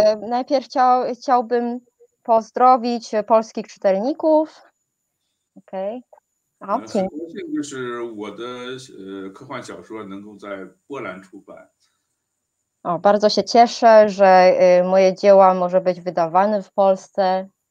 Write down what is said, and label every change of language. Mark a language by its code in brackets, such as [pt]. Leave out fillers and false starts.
[pl] najpierw chciałbym pozdrowić polskich czytelników. OK, [zh] 好，请。很高兴就是我的科幻小说能够在波兰出版。 [pl] 哦, bardzo się cieszę, że moje dzieła może być wydawane w Polsce.